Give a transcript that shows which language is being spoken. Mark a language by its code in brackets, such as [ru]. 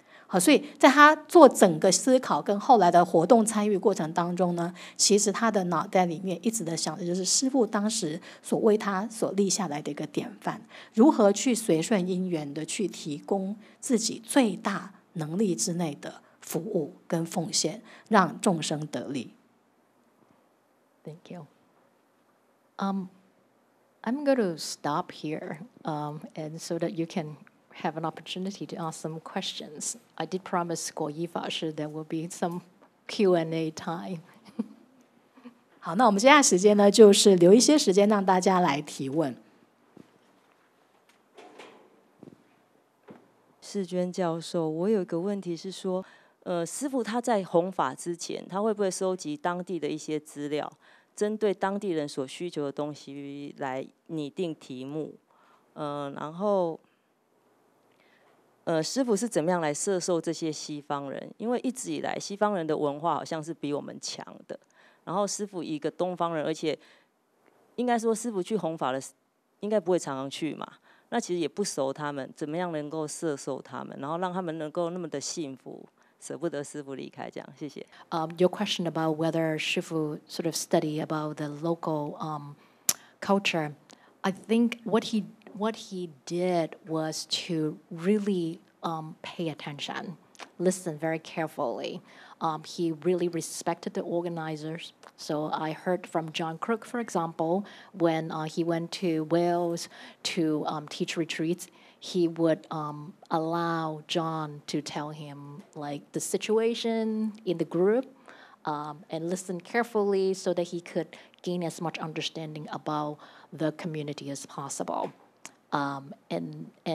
[zh] 好，所以在他做整个思考跟后来的活动参与过程当中呢，其实他的脑袋里面一直的想的就是师父当时所为他所立下来的一个典范，如何去随顺因缘的去提供自己最大能力之内的服务跟奉献，让众生得利。 [en] Thank you. I'm going to stop here and so that you can have an opportunity to ask some questions. I did promise 果一法师 there will be some Q&A time. [zh] 好，那我们接下来时间呢，就是留一些时间让大家来提问。世娟教授，我有一个问题是说，师父他在弘法之前，他会不会收集当地的一些资料，针对当地人所需求的东西来拟定题目？然后师父是怎么样来摄受这些西方人？因为一直以来西方人的文化好像是比我们强的，然后师父一个东方人，而且应该说师父去弘法的应该不会常常去嘛，那其实也不熟他们，怎么样能够摄受他们，然后让他们能够那么的幸福，舍不得师父离开这样。谢谢。 [en] Your question about whether 师父 sort of study about the local culture, I think what he did was to really pay attention, listen very carefully. He really respected the organizers. So I heard from John Crook, for example, when he went to Wales to teach retreats, he would allow John to tell him like the situation in the group and listen carefully so that he could gain as much understanding about the community as possible. And